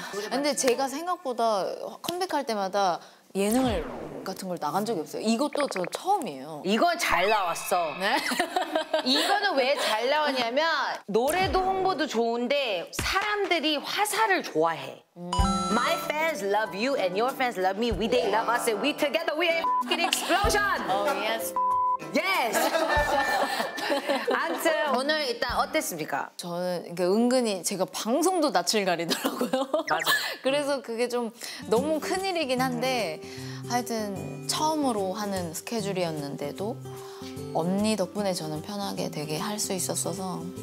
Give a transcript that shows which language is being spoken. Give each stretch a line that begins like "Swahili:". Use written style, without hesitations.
Korean: 근데 제가 생각보다 컴백할 때마다 예능 같은 걸 나간 적이 없어요. 이것도 저 처음이에요. 이건 잘 나왔어. 네? 이거는 왜 잘 나왔냐면 노래도 홍보도 좋은데 사람들이 화사를 좋아해.
English: My fans love you and your fans love me. We they love us and we together we are a explosion. Oh yes. Yes.
Korean: 아무튼 오늘 일단 어땠습니까? 저는 은근히 제가 방송도 낯을 가리더라고요. 맞아. 그래서 그게 좀 너무 큰 일이긴 한데 하여튼 처음으로 하는 스케줄이었는데도 언니 덕분에 저는 편하게 되게 할 수 있었어서.